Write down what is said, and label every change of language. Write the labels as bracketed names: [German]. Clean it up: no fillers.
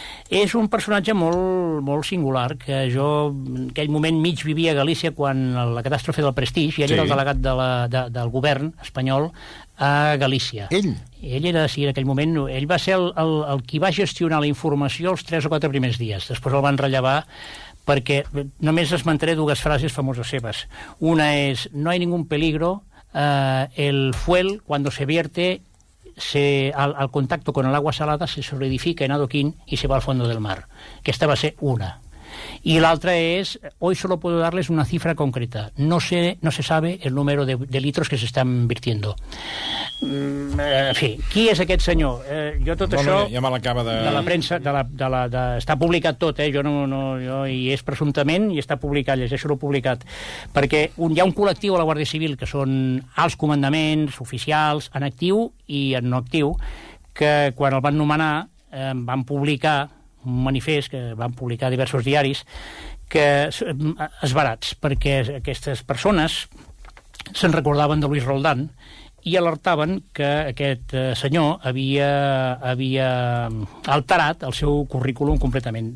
[Catalan] És un personatge molt, molt singular, que jo en aquell moment mig vivia a Galícia quan la catàstrofe del Prestige, i ell era el delegat del govern espanyol a Galícia. Ell era, sí, en aquell moment, ell va ser el qui va gestionar la informació els 3 o 4 primers dies. Després el van rellevar perquè només esmentaré dues frases famoses seves. [Spanish] Una és, no hay ningún peligro, el fuel cuando se vierte... al contacto con el agua salada se solidifica en adoquín y se va al fondo del mar. [Catalan] Aquesta va ser una. [Spanish] Y la otra es, hoy solo puedo darles una cifra concreta. No se sabe el número de litros que se están virtiendo. [Catalan] En fi, qui és aquest senyor? Jo tot bueno, això... Ja me l'acaba de... De la premsa, de la, està publicat tot, jo no, i és presumptament, i està publicat, llegeixo-lo publicat. Perquè hi ha un col·lectiu a la Guàrdia Civil que són alts comandaments, oficials, en actiu i en no actiu, que quan el van nomenar van publicar un manifest que van publicar diversos diaris que esbarats, perquè aquestes persones se'n recordaven de Luis Roldán i alertaven que aquest senyor havia alterat el seu currículum completament.